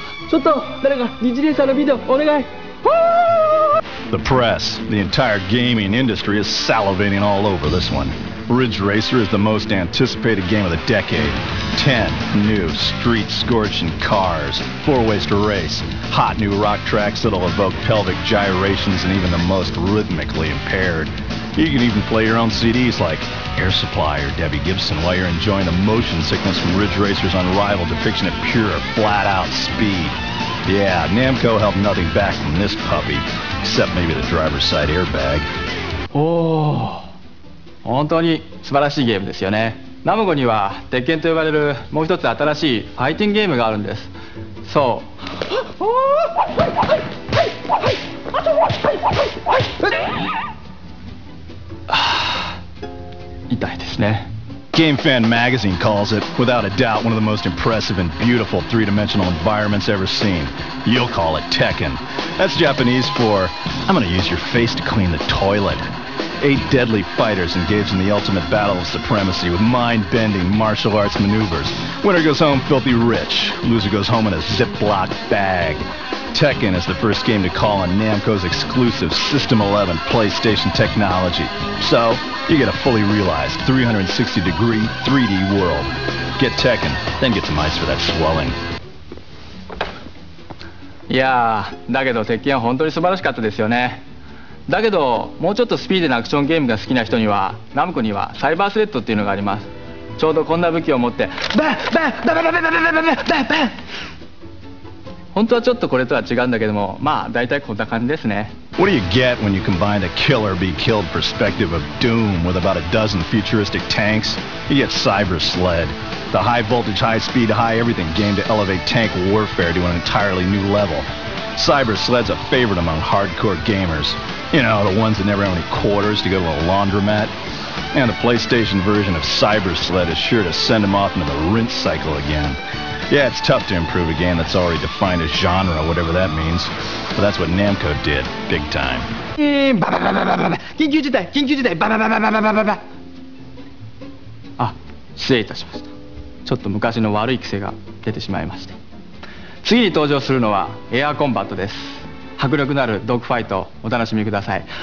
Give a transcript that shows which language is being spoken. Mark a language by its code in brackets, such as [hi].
[ja] ちょっと誰かリッジレースのビデオお願い。 [en] The press, the entire gaming industry is salivating all over this one. Ridge Racer is the most anticipated game of the decade. 10 new street-scorching cars, four ways to race, hot new rock tracks that'll evoke pelvic gyrations and even the most rhythmically impaired. You can even play your own CDs like Air Supply or Debbie Gibson while you're enjoying the motion sickness from Ridge Racer's unrivaled depiction of pure, flat-out speed. Yeah, Namco held nothing back from this puppy. Except maybe the driver's side airbag. [ja] Oh, 本当に素晴らしいゲームですよね。ナムコには鉄拳と呼ばれるもう一つ新しいファイティングゲームがあるんです。そう。痛いですね。 [en] Game Fan Magazine calls it, without a doubt, one of the most impressive and beautiful three-dimensional environments ever seen. You'll call it Tekken. That's Japanese for, I'm gonna use your face to clean the toilet. Eight deadly fighters engage in the ultimate battle of supremacy with mind-bending martial arts maneuvers. Winner goes home filthy rich. Loser goes home in a Ziploc bag. Tekken is the first game to call on Namco's exclusive System 11 PlayStation technology. So... You get a fully realized 360-degree 3D world. Get Tekken, then get some ice for that swelling. [ja] Yeah, だけど鉄拳は本当に素晴らしかったですよね。だけどもうちょっとスピーディーなアクションゲームが好きな人にはナムコにはサイバースレッドっていうのがあります。ちょうどこんな武器を持って、バンバンバンバンバンバンバンバンバンバンバンバン。本当はちょっとこれとは違うんだけども、まあだいたいこんな感じですね。 [en] What do you get when you combine the kill-or-be-killed perspective of Doom with about a dozen futuristic tanks? You get Cyber Sled, the high-voltage, high-speed, high-everything game to elevate tank warfare to an entirely new level. Cyber Sled's a favorite among hardcore gamers. You know, the ones that never have any quarters to go to a laundromat. And the PlayStation version of Cyber Sled is sure to send them off into the rinse cycle again. Yeah, it's tough to improve a game that's already defined as genre, whatever that means. But that's what Namco did, big time. [ja] Ah, 失礼いたしました。ちょっと昔の悪い癖が出てしまいまして。次に登場するのはエアコンバットです。迫力のあるドッグファイトお楽しみください。